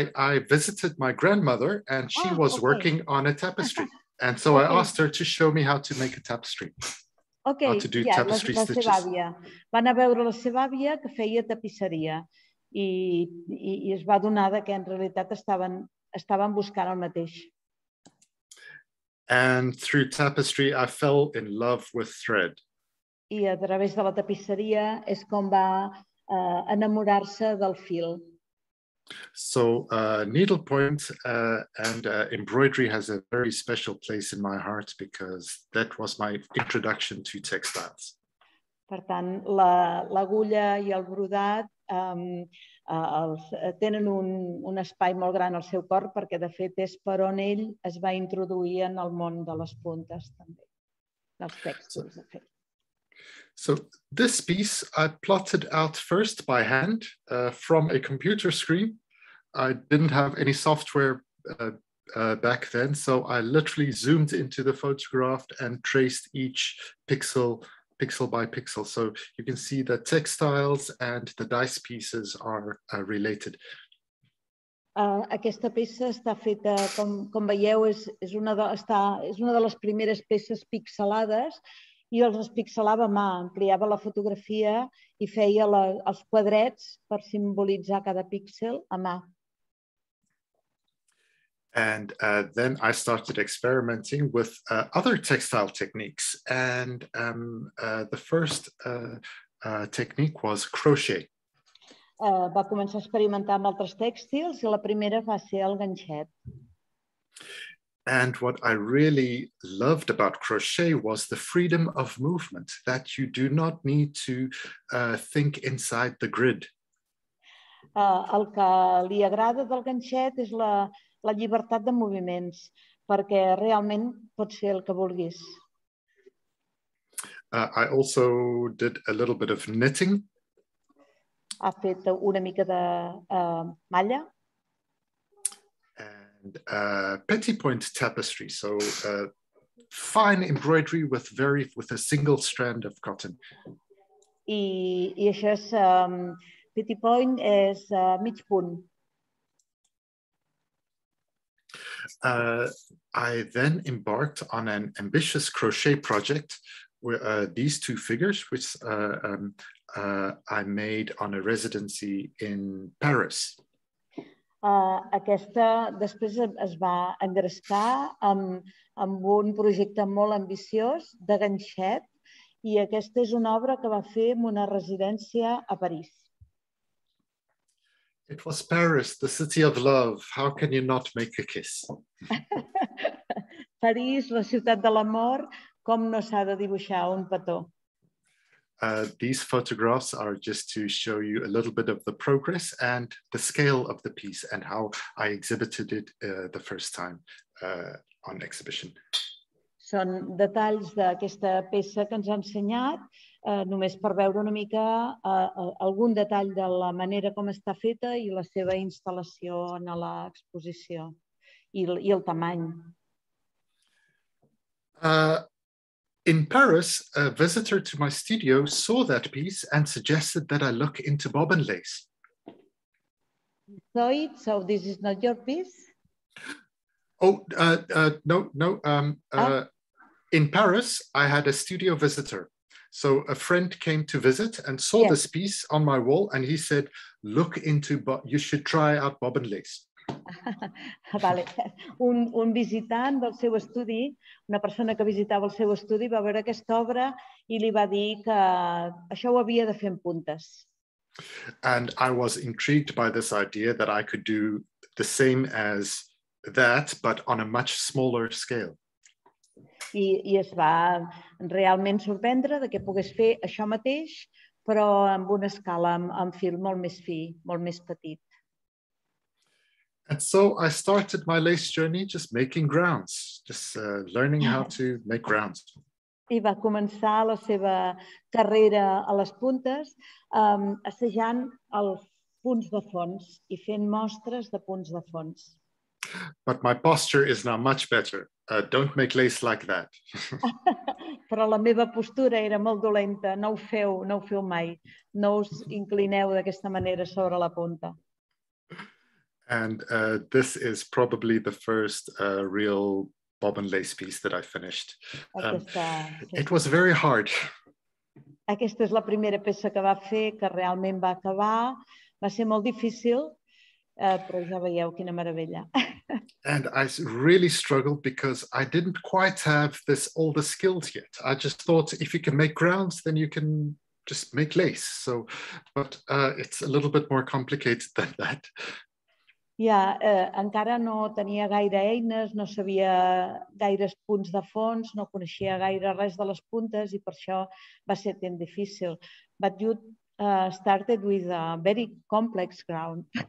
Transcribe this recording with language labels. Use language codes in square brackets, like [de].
[en] I visited my grandmother and she was okay. Working on a tapestry. And so okay. I asked her to show me how to make a tapestry. Okay. How to do tapestry la stitches. [ca] La seva àvia. Va anar a veure la seva àvia que feia tapisseria i es va adonar de que en realitat estaven buscant el mateix. [en] And through tapestry I fell in love with thread. [ca] I a través de la tapisseria és com va enamorar-se del fil. [en] So, needlepoint and embroidery has a very special place in my heart because that was my introduction to textiles. [ca] Per tant, l'agulla i el brodat tenen un espai molt gran al seu cor perquè, de fet, és per on ell es va introduir en el món de les puntes, també, dels textos, de fet. [en] So this piece I plotted out first by hand from a computer screen. I didn't have any software back then, so I literally zoomed into the photograph and traced each pixel by pixel. So you can see the textiles and the dice pieces are related. [ca] Aquesta peça està feta, com veieu, és una de les primeres peces pixelades. I els espixelava a mà, ampliava la fotografia i feia els quadrets per simbolitzar cada píxel a mà. [en] And then I started experimenting with other textile techniques. And the first technique was crochet. [ca] Va començar a experimentar amb altres tèxtils i la primera va ser el ganxet. [en] And what I really loved about crochet was the freedom of movement, that you do not need to think inside the grid. [ca] El que li agrada del ganxet és la llibertat de moviments, perquè realment pot ser el que vulguis. [en] I also did a little bit of knitting. [ca] Ha fet una mica de malla. [en] And petit point tapestry, so fine embroidery with a single strand of cotton. [ca] I això és petit point és mig punt. [en] I then embarked on an ambitious crochet project with these two figures, which I made on a residency in Paris. [ca] Aquesta després es va engrescar amb un projecte molt ambiciós de ganxet i aquesta és una obra que va fer en una residència a París. [en] It was Paris, the city of love. How can you not make a kiss? [ca] París, la ciutat de l'amor, com no s'ha de dibuixar un petó? [en] These photographs are just to show you a little bit of the progress and the scale of the piece and how I exhibited it the first time on exhibition. [ca] Són detalls d'aquesta peça que ens ha ensenyat, només per veure una mica algun detall de la manera com està feta i la seva instal·lació en l'exposició i el tamany. [en] In Paris, a visitor to my studio saw that piece and suggested that I look into bobbin lace. So this is not your piece? In Paris, I had a studio visitor. So a friend came to visit and saw this piece on my wall and he said, look into, you should try out bobbin lace. [ca] Vale. Un visitant del seu estudi, una persona que visitava el seu estudi, va veure aquesta obra i li va dir que això ho havia de fer en puntes. [en] And I was intrigued by this idea that I could do the same as that, but on a much smaller scale. [ca] I es va realment sorprendre de que pogués fer això mateix, però amb una escala, amb fil molt més fi, molt més petit. [en] And so I started my lace journey just making grounds, just learning how to make grounds. [ca] I va començar la seva carrera a les puntes, assajant els punts de fons i fent mostres de punts de fons. [en] But my posture is now much better. Don't make lace like that. [ca] Però la meva postura era molt dolenta. No ho feu mai. No us inclineu d'aquesta manera sobre la punta. [en] And this is probably the first real bobbin lace piece that I finished. It was very hard. [ca] Aquesta és la primera peça que va fer, que realment va acabar. Va ser molt difícil, però ja veieu quina meravella. [en] And I really struggled because I didn't quite have this all the skills yet. I just thought if you can make grounds, then you can just make lace. So, but it's a little bit more complicated than that. [ca] Ja, encara no tenia gaire eines, no sabia gaires punts de fons, no coneixia gaire res de les puntes i per això va ser tan difícil. [en] But you started with a very complex ground.